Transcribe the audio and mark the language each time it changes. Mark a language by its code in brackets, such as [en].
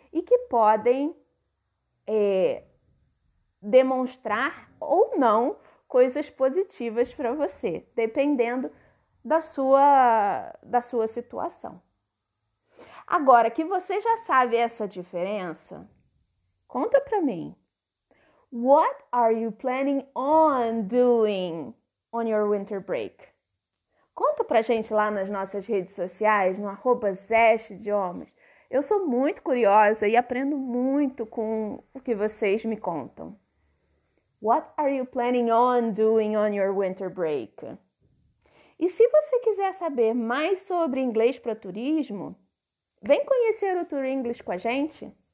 [pt] E que podem demonstrar ou não coisas positivas para você, dependendo da sua situação. Agora que você já sabe essa diferença, conta para mim. [en] What are you planning on doing on your winter break? [pt] Conta pra gente lá nas nossas redes sociais, no @zestidiomas. Eu sou muito curiosa e aprendo muito com o que vocês me contam. [en] What are you planning on doing on your winter break? [pt] E se você quiser saber mais sobre inglês para turismo, vem conhecer o Tour English com a gente.